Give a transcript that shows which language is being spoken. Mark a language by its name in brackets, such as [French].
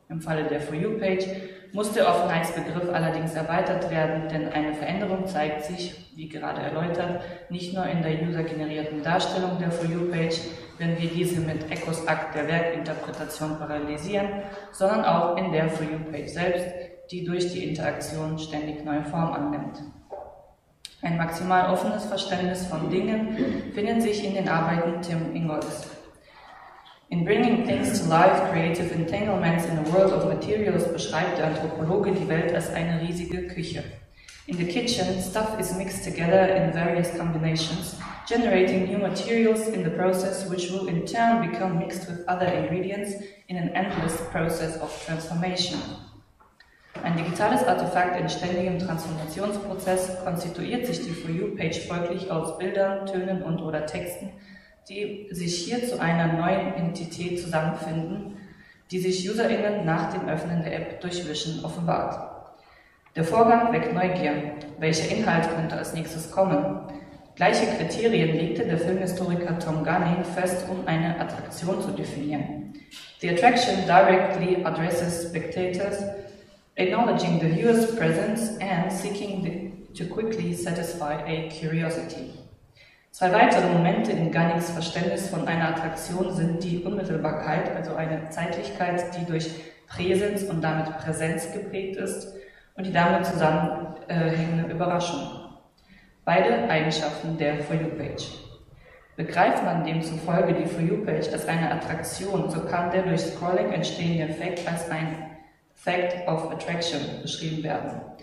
[German] Im Falle der For You-Page muss der Offenheitsbegriff allerdings erweitert werden, denn eine Veränderung zeigt sich, wie gerade erläutert, nicht nur in der usergenerierten Darstellung der For You-Page, wenn wir diese mit Ecos Akt der Werkinterpretation parallelisieren, sondern auch in der For You-Page selbst, die durch die Interaktion ständig neue Form annimmt. Ein maximal offenes Verständnis von Dingen findet sich in den Arbeiten Tim Ingolds. In Bringing Things to Life, Creative Entanglements in a World of Materials beschreibt der Anthropologe die Welt als eine riesige Küche. [English] In the kitchen, stuff is mixed together in various combinations, generating new materials in the process, which will in turn become mixed with other ingredients in an endless process of transformation. [German] Ein digitales Artefakt in ständigem Transformationsprozess konstituiert sich die For You-Page folglich aus Bildern, Tönen und/oder Texten, die sich hier zu einer neuen Entität zusammenfinden, die sich UserInnen nach dem Öffnen der App durch Wischen offenbart. Der Vorgang weckt Neugier. Welcher Inhalt könnte als nächstes kommen? Gleiche Kriterien legte der Filmhistoriker Tom Gunning fest, um eine Attraktion zu definieren. [English] The attraction directly addresses spectators, acknowledging the viewer's presence and seeking to quickly satisfy a curiosity. [German] Zwei weitere Momente in Gunnings Verständnis von einer Attraktion sind die Unmittelbarkeit, also eine Zeitlichkeit, die durch Präsenz und damit Präsenz geprägt ist, und die damit zusammenhängende Überraschung. Beide Eigenschaften der For You Page. Begreift man demzufolge die For You Page als eine Attraktion, so kann der durch Scrolling entstehende Effekt als ein Fact of Attraction beschrieben werden.